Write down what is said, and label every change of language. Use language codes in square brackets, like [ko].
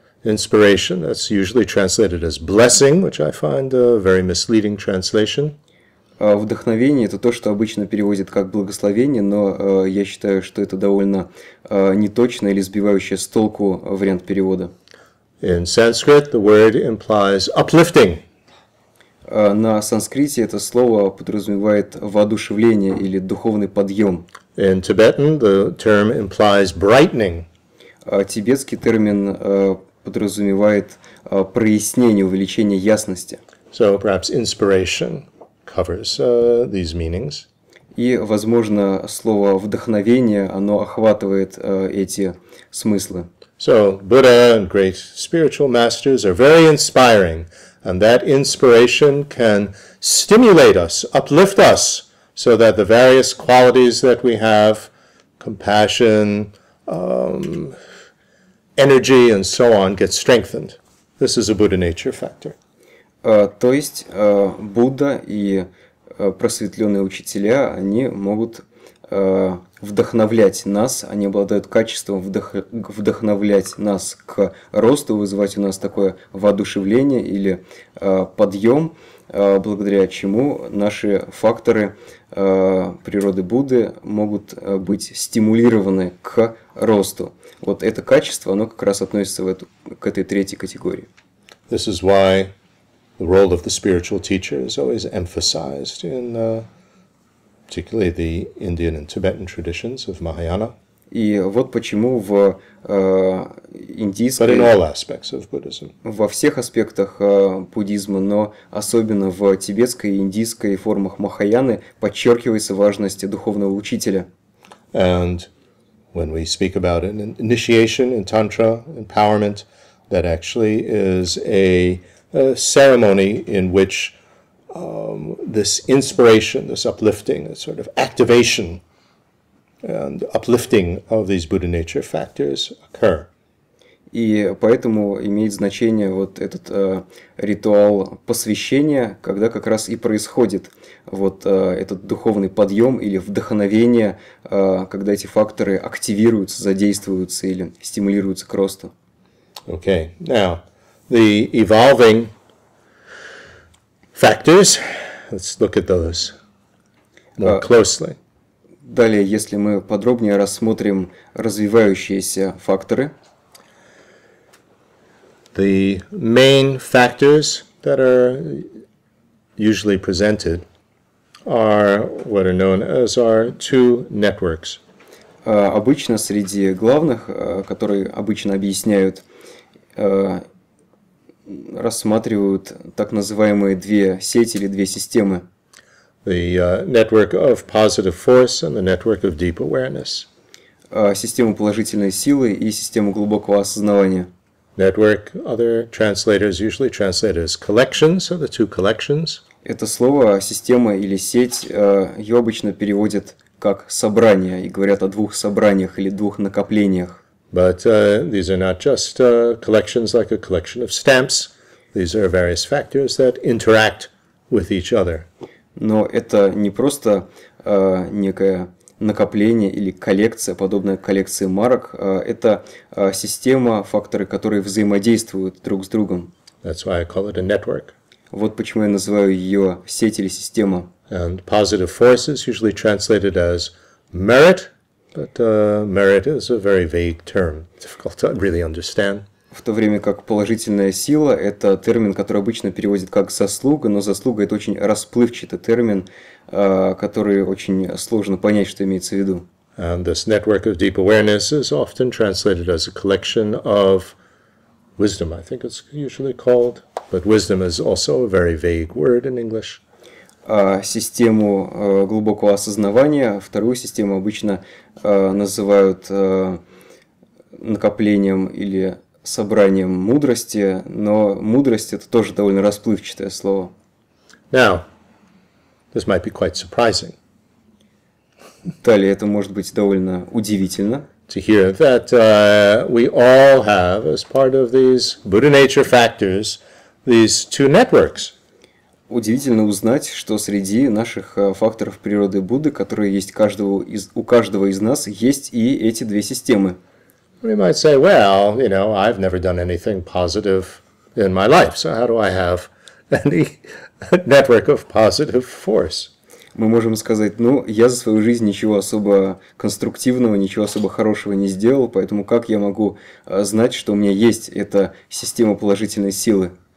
[en] Inspiration, that's usually translated as blessing, which I find a very misleading translation. [ru] Вдохновение – это то, что обычно переводят как благословение, но я считаю, что это довольно неточное или сбивающее с толку вариант перевода. [en] In Sanskrit, the word implies uplifting. [ru] На санскрите это слово подразумевает воодушевление или духовный подъем. [en] In Tibetan, the term implies brightening. [ru] Тибетский термин подразумевает прояснение, увеличение ясности. [en] So perhaps inspiration covers these meanings. [ru] И, возможно, слово вдохновение, оно охватывает эти смыслы. [en] So Buddha and great spiritual masters are very inspiring, and that inspiration can stimulate us, uplift us, so that the various qualities that we have, compassion, energy, and so on, get strengthened. This is a Buddha nature factor. [ru] То есть Будда и просветленные учителя, они могут вдохновлять нас, они обладают качеством вдохновлять нас к росту, вызывать у нас такое воодушевление или подъем, благодаря чему наши факторы природы Будды могут быть стимулированы к росту. Вот это качество, оно как раз относится к этой третьей категории. [en] This is why the role of the spiritual teacher is always emphasized in particularly the Indian and Tibetan traditions of Mahayana. [ru] И вот почему в индийской... [en] But in all aspects of Buddhism. [ru] Во всех аспектах буддизма, но особенно в тибетской и индийской формах Махаяны, подчеркивается важность духовного учителя. [en] And when we speak about an initiation in Tantra, empowerment, that actually is a ceremony in which this inspiration, this uplifting, a sort of activation and uplifting of these Buddha nature factors occur. [ru] И поэтому имеет значение вот этот ритуал посвящения, когда как раз и происходит вот этот духовный подъем или вдохновение, когда эти факторы активируются, задействуются или стимулируются к росту. [en] Okay, now the evolving factors. Let's look at those more closely. [ru] Далее, если мы подробнее рассмотрим развивающиеся факторы. [en] The main factors that are usually presented are what are known as our two networks. [ru] Обычно среди главных, которые обычно объясняют, рассматривают так называемые две сети или две системы. [en] The network of positive force and the network of deep awareness. [ru] Система положительной силы и система глубокого осознавания. [en] Network, other translators usually translate as collection, so the two collections. [ru] Это слово «система» или «сеть» ее обычно переводят как «собрание» и говорят о двух собраниях или двух накоплениях. [en] But these are not just collections like a collection of stamps. These are various factors that interact with each other. [ru] Но это не просто некая накопление или коллекция, подобная коллекции марок, это система, факторы, которые взаимодействуют друг с другом. [en] That's why I call it a network. [ru] Вот почему я называю ее сеть или система. [en] And positive forces usually translated as merit, but merit is a very vague term, difficult to really understand. [ru] В то время как положительная сила – это термин, который обычно переводит как заслуга, но заслуга – это очень расплывчатый термин, который очень сложно понять, что имеется в виду. [en] And this network of deep awareness is often translated as a collection of wisdom, I think it's usually called, but wisdom is also a very vague word in English. [ru] Систему глубокого осознавания, вторую систему обычно называют накоплением или собранием мудрости, но мудрость — это тоже довольно расплывчатое слово. [en] Now, this might be quite surprising. [ru] Далее, это может быть довольно удивительно. [en] To hear that we all have, as part of these Buddha nature factors, these two networks. [ru] Удивительно узнать, что среди наших факторов природы Будды, которые есть у каждого из нас, есть и эти две системы. [en] We might say, well, you know, I've never done anything positive in my life, so how do I have any network of positive force? [ru] Мы можем сказать, ну, я за свою жизнь ничего особо конструктивного, ничего особо хорошего не сделал, поэтому как я могу знать, что у меня есть эта система положительной силы?